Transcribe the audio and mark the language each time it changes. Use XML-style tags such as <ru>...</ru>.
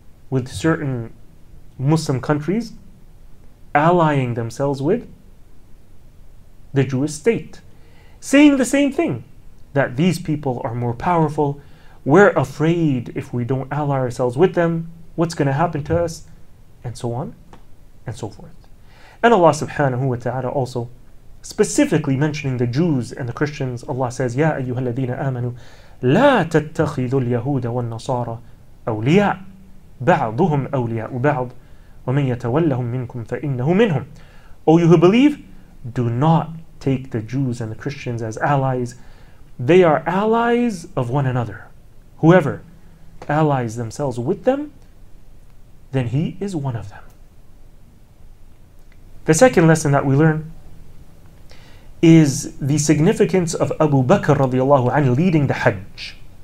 <en>With certain Muslim countries allying themselves with the Jewish state, saying the same thing, that these people are more powerful, we're afraid if we don't ally ourselves with them, what's going to happen to us, and so on and so forth. And Allah subhanahu wa ta'ala also, specifically mentioning the Jews and the Christians, Allah says,</en> <ar>يَا أَيُّهَا الَّذِينَ آمَنُوا لَا تَتَّخِذُوا الْيَهُودَ وَالنَّصَارَ أَوْلِيَاءَ بَعْضُهُمْ أَوْلِيَاءُ بَعْضٍ وَمَنْ يَتَوَلَّهُمْ مِنْكُمْ فَإِنَّهُ مِنْهُمْ.</ar> <en>O you who believe, do not take the Jews and the Christians as allies. They are allies of one another. Whoever allies themselves with them, then he is one of them. The second lesson that we learn is the significance of Abu Bakr radiallahu anhu leading the Hajj.</en>